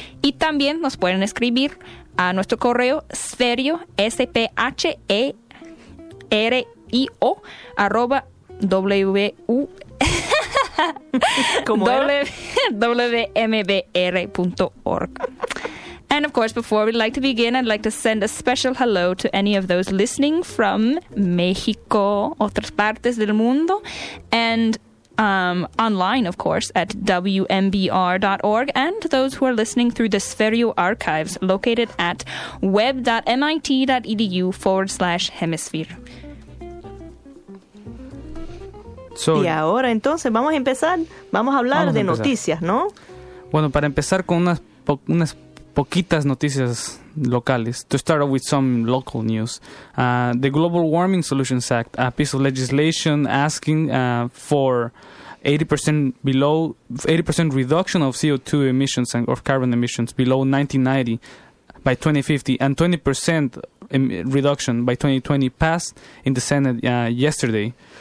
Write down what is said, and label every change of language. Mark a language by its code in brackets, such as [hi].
[es] Y también nos pueden escribir a nuestro correo sferio, sphereo, @wmbr.org. [en] And of course, before we'd like to begin, I'd like to send a special hello to any of those listening from Mexico, [es] otras partes del mundo, [en] and online, of course, at wmbr.org, and those who are listening through the Sferio archives located at web.mit.edu/hemisphere. So, [es] y ahora entonces vamos a empezar. Vamos a hablar vamos de a noticias, ¿no? Bueno, para empezar con unas poquitas noticias locales. [en] To start off with some local news, the Global Warming Solutions Act, a piece of legislation asking for 80% reduction of CO2 emissions and of carbon emissions below 1990 by 2050 and 20% reduction by 2020 passed in the Senate yesterday.